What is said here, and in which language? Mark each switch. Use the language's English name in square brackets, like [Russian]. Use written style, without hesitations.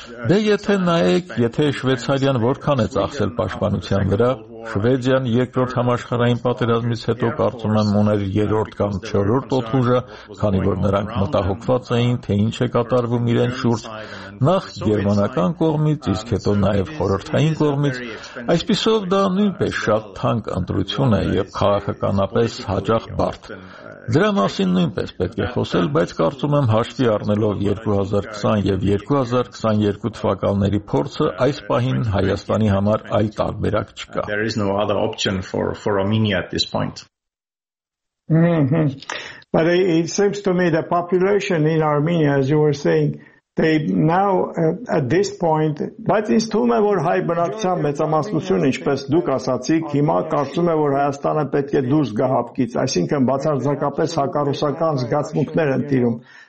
[Armenian] Դե եթե նայեք, եթե Շվեցարիան որքան է ծախսել պաշտպանության վրա, Շվեդիան երկրորդ համաշխարհային պատերազմից հետո կարծում եմ ուներ երրորդ կամ չորրորդ օդուժը, քանի որ նրանք մտահոգված էին, թե ինչ է կատարվում իրենց շուրջ, նախ գերմանական կողմից, իսկ հետո նաև խորհրդային կողմից, այսպիսով դա նույնպես շատ թանկ ընտրություն է և քաղաքականապես հաճախ բարդ։ Դրա մասին նույնպես պետք է խոսել, բայց կարծում եմ հաշվի առնելով 2020 և 2022 թվականների փորձը, այս պահին Հայաստանի համար այլ տարբերակ չկա։ [English] There is no other option for Armenia at this point. But it seems to me the population in Armenia, as you were saying, they now at this point, [Armenian] բայց ինձ թվում է, որ հայ բնակության մեծամասնությունը, ինչպես դուք ասացիք, հիմա կարծում է, որ Հայաստանը պետք է դուրս գա հապկից, այսինքն բացարձակապես հակառուսական զգացմունքներ են տիրում։